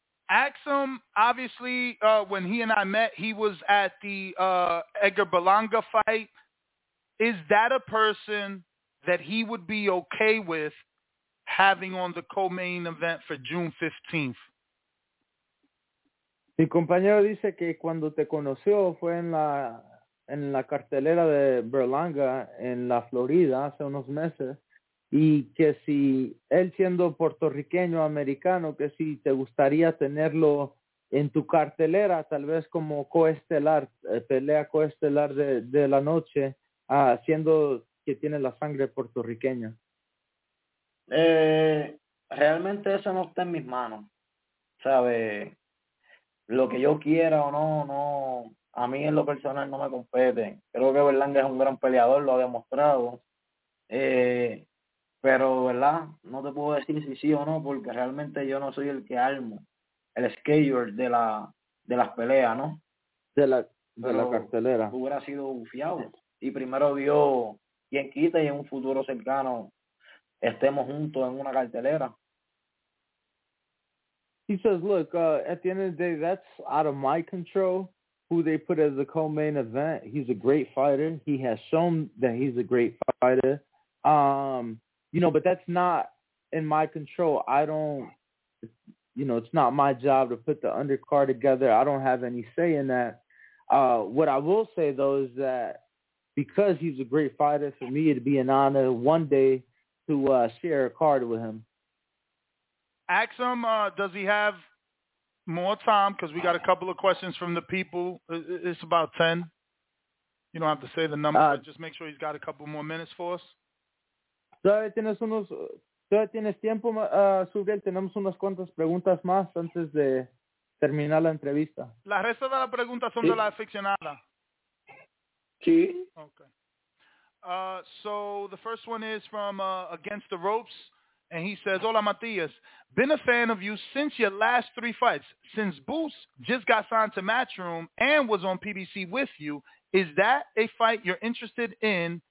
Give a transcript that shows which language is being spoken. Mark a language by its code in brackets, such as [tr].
[en] Ask him, obviously, when he and I met, he was at the Edgar Belanga fight. Is that a person that he would be okay with having on the co-main event for June 15th? [es] Mi compañero dice que cuando te conoció fue en la cartelera de Berlanga en la Florida hace unos meses. Y que si él siendo puertorriqueño, americano, que si te gustaría tenerlo en tu cartelera, tal vez como coestelar, pelea coestelar de la noche, siendo que tiene la sangre puertorriqueña. Realmente eso no está en mis manos, ¿sabes? Lo que yo quiera o no, a mí en lo personal no me compete. Creo que Berlanga es un gran peleador, lo ha demostrado. Pero, ¿verdad? No te puedo decir si sí o no, porque realmente yo no soy el que armo el schedule de las peleas, ¿no? De la cartelera. Hubiera sido bufiado. Y primero Dios, quien quita y en un futuro cercano estemos juntos en una cartelera. [en] He says, look, at the end of the day, that's out of my control. who they put as the co-main event. He's a great fighter. He has shown that he's a great fighter. You know, but that's not in my control. I don't, you know, it's not my job to put the undercard together. I don't have any say in that. What I will say, though, is that because he's a great fighter, for me, it'd be an honor one day to share a card with him. Ask him, does he have more time? Because we got a couple of questions from the people. It's about 10. You don't have to say the number, but just make sure he's got a couple more minutes for us. [es] Todavía tienes tiempo, Subiel. Tenemos unas cuantas preguntas más antes de terminar la entrevista. La resta de las preguntas son de la aficionada. Sí. [en] Okay. So the first one is from Against the Ropes, and he says, "Hola, Matias. Been a fan of you since your last three fights. Since Boots just got signed to Matchroom and was on PBC with you, is that a fight you're interested in?